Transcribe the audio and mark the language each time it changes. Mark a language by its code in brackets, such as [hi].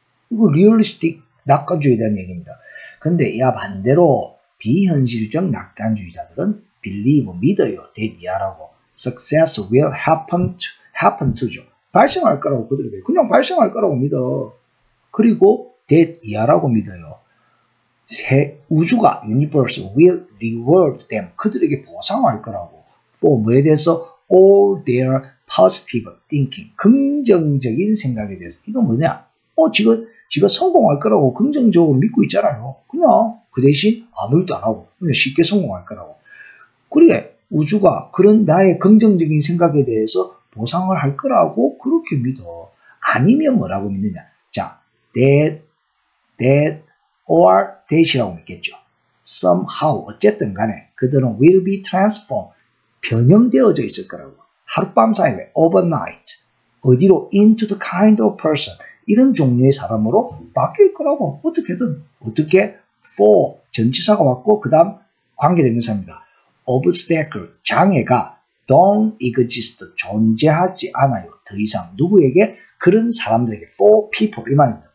[ko] 이거 realistic 낙관주의에 대한 얘기입니다. 근데 야 반대로 비현실적 낙관주의자들은 believe, 믿어요, that 이하라고 [en] success will happen to죠. [ko] 발생할 거라고 그들에게. 그냥 발생할 거라고 믿어. 그리고 that 이하라고 믿어요. 새 우주가 [en] universe will reward them. [ko] 그들에게 보상할 거라고. For 뭐에 대해서? [en] All their positive thinking. [ko] 긍정적인 생각에 대해서. 이건 뭐냐? 지가 성공할 거라고 긍정적으로 믿고 있잖아요. 그냥 그 대신 아무 일도 안 하고 그냥 쉽게 성공할 거라고. 그래 우주가 그런 나의 긍정적인 생각에 대해서 보상을 할 거라고 그렇게 믿어. 아니면 뭐라고 믿느냐? 자, that or that이라고 믿겠죠. [en] Somehow [ko] 어쨌든 간에 그들은 [en] will be transformed. [ko] 변형되어져 있을 거라고. 하룻밤 사이에 [en] overnight 어디로 into the kind of person. [ko] 이런 종류의 사람으로 바뀔 거라고. 어떻게 for 전치사가 왔고 그 다음 관계대명사입니다. Obstacle 장애가 [en] don't exist [ko] 존재하지 않아요. 더 이상 누구에게? 그런 사람들에게. for people 이 말입니다.